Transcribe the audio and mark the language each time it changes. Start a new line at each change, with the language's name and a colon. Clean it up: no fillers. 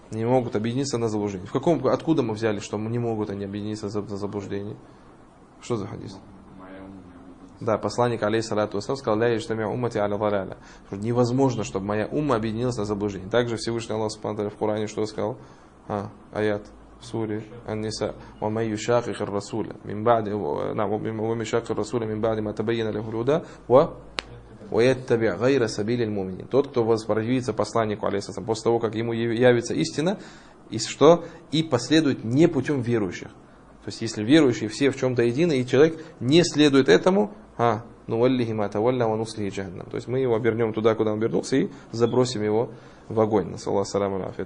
Russian: Не могут объединиться на заблуждении. Откуда мы взяли, что не могут они объединиться на заблуждении? Что за хадис? Да, посланник алейхиссалату вассалям сказал,
Arabic: ля яджтами уммати аля даляля.
Russian: Невозможно, чтобы моя умма объединилась на заблуждении. Также Всевышний Аллах субхана ва тааля в Коране что сказал? А, аят. В суре Ан-Ниса,
Arabic: وَمَنْ يُشَاقِقِ الرَّسُولَ مِنْ بَعْدِ وَمَنْ يُشَاقِقِ الرَّسُولَ مِنْ بَعْدِ مَا تَبَيَّنَ لَهُ الْهُدَى وَيَتَّبِعْ غَيْرَ سَبِيلِ الْمُؤْمِنِينَ.
Russian: Тот, кто воспротивится посланнику алейхиссалям, после того, как ему явится истина, и что? И последует не путем верующих. То есть, если верующие все в чем-то едины, и человек не следует этому, а
Arabic: نُوَلِّهِ مَا تَوَلَّى وَنُصْلِهِ جَهَنَّمَ.
Russian: То есть, мы его обернем туда, куда он вернулся, и забросим его в огонь. Насаллаху саламу алейхи.